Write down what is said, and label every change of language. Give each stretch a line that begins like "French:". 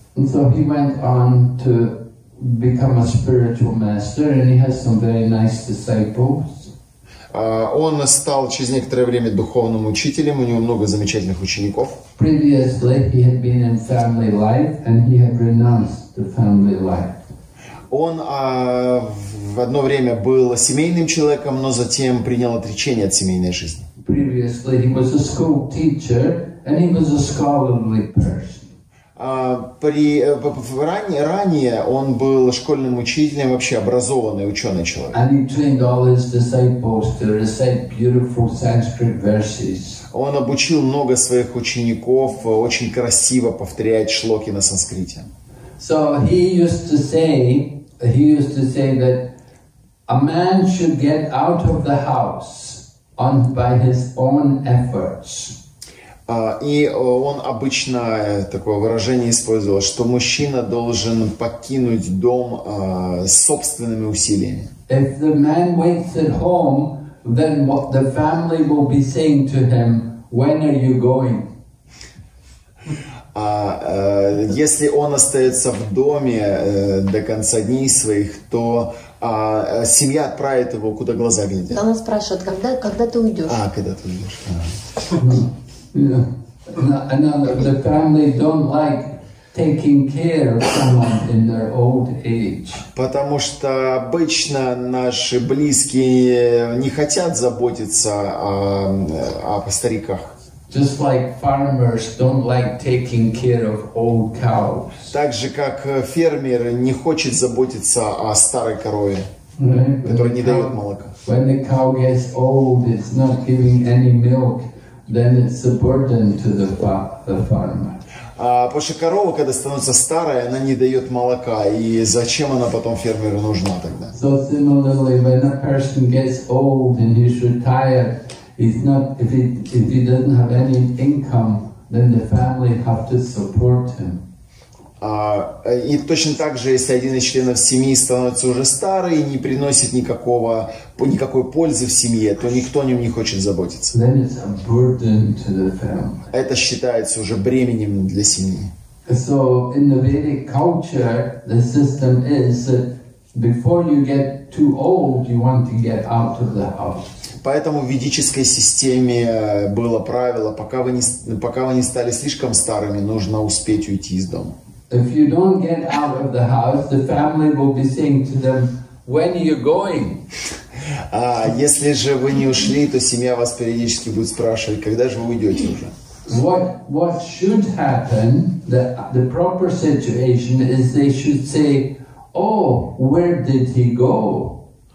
English: And so he went on to become a spiritual master, and he has some very nice disciples.
Russian: Он стал через некоторое время духовным учителем, у него много замечательных учеников.
English: Previously he had been in family life and he had renounced the family life.
Russian: Он в одно время был семейным человеком, но затем принял отречение от семейной жизни.
English: Previously he was a school teacher and he was a scholarly person.
Russian: Ранее он был школьным учителем, вообще образованный ученый человек.
English: And he trained all his disciples to recite beautiful Sanskrit verses.
Russian: Он обучил много своих учеников очень красиво повторять шлоки на санскрите.
English: So he used to say that a man should get out of the house on by his own efforts.
Russian: И он обычно такое выражение использовал, что мужчина должен покинуть дом собственными усилиями.
English: If the man waits at home, then what the family will be saying to him, when are you going?
Russian: А если он остается в доме до конца дней своих, то семья отправит его, куда глаза глядят. Она спрашивает, когда ты уйдешь? А, когда ты уйдешь.
English: The family don't like taking care of someone in their old age.
Russian: Потому что обычно наши близкие не хотят заботиться о стариках.
English: Just like farmers don't like taking care of old cows.
Russian: Так же как фермер не хочет заботиться о старой корове, которая не дает молока.
English: When the cow gets old, it's not giving any milk, then it's a burden to the farmer.
Russian: Потому что корова, когда становится старой, она не дает молока, и зачем она потом фермеру нужна тогда?
English: So similarly, when a person gets old and he's retired, If he doesn't have any income, then the family have to support him.
Russian: И точно так же, если один из членов семьи становится уже старый и не приносит никакой пользы в семье, то никто о нем не хочет заботиться.
English: Then it's a burden to the family.
Russian: Это считается уже бременем для семьи.
English: So in the Vedic culture, the system is that before you get too old, you want to get out of the house.
Russian: Поэтому в ведической системе было правило, пока вы не стали слишком старыми, нужно успеть уйти из дома.
English: If you don't get out of the house, the family will be saying to them, when are you going?
Russian: А если же вы не ушли, то семья вас периодически будет спрашивать, когда же вы уйдете уже?
English: What should happen, the proper situation, is they should say, oh, where did he go?